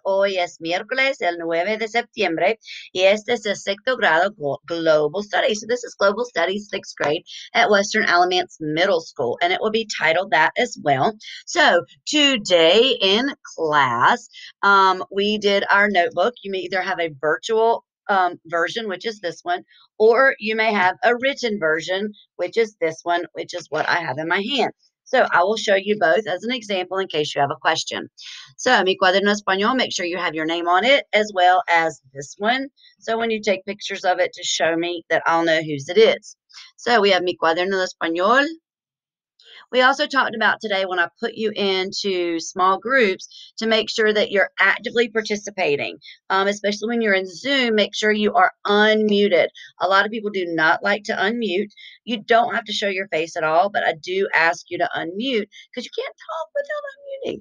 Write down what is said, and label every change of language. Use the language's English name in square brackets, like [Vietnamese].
[Spanish] Hoy es miércoles, el 9 de septiembre, y este es el sexto grado Global Studies. [English] So this is Global Studies, sixth grade at Western Alamance Middle School, and it will be titled that as well. So today in class, we did our notebook. You may either have a virtual version, which is this one, or you may have a written version, which is this one, which is what I have in my hand. So I will show you both as an example in case you have a question. So mi cuaderno español, make sure you have your name on it as well as this one. So when you take pictures of it, just show me that I'll know whose it is. So we have mi cuaderno español. We also talked about today when I put you into small groups to make sure that you're actively participating, especially when you're in Zoom, make sure you are unmuted. A lot of people do not like to unmute. You don't have to show your face at all, but I do ask you to unmute because you can't talk without unmuting.